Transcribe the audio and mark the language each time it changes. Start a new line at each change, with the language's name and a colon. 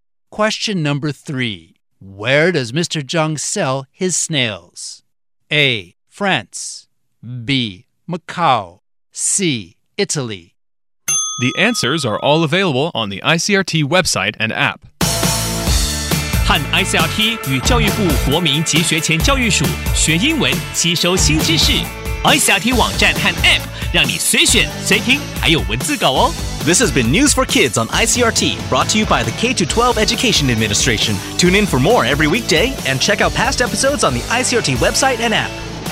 English: Question number three. Where does Mr. Zhang sell his snails? A. France. B. Macau. C. Italy. The answers are all available on the ICRT website and app.
Chinese: 和 ICRT 与教育部国民及学前教育署学英文吸收新知识 ICRT 网站和 APP 让你随选随听，还有文字稿哦。
English: This has been News for Kids on ICRT, brought to you by the K-12 Education Administration. Tune in for more every weekday and check out past episodes on the ICRT website and app.